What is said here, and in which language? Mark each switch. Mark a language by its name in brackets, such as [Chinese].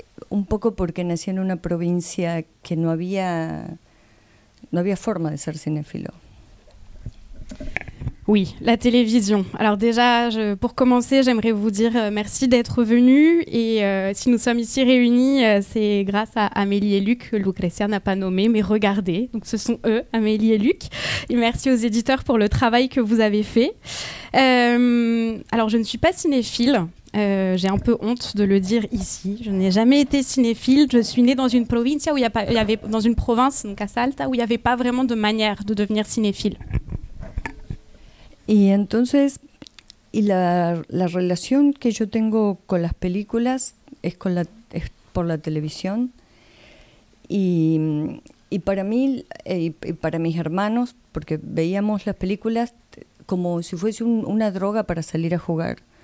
[Spanish] Un poco porque nací en una provincia que no había forma de ser cinéfilo. [French] Oui, la télévision. Alors déjà, pour commencer, j'aimerais vous dire merci d'être venu. Et si nous sommes ici réunis, c'est grâce à Amélie et Luc, que Lucrecia n'a pas nommé, mais regardez. Donc ce sont eux, Amélie et Luc. Et merci aux éditeurs pour le travail que vous avez fait. Alors je ne suis pas cinéphile. J'ai un peu honte de le dire ici. Je n'ai jamais été cinéphile. Je suis née dans une provincia où il y avait, dans une province, donc à Salta, où il n'y avait pas vraiment de manière de devenir cinéphile. [Spanish] Y entonces, y la relación que yo tengo con las películas es por la televisión. Y para mí y para mis hermanos, porque veíamos las películas como si fuese una droga para salir a jugar.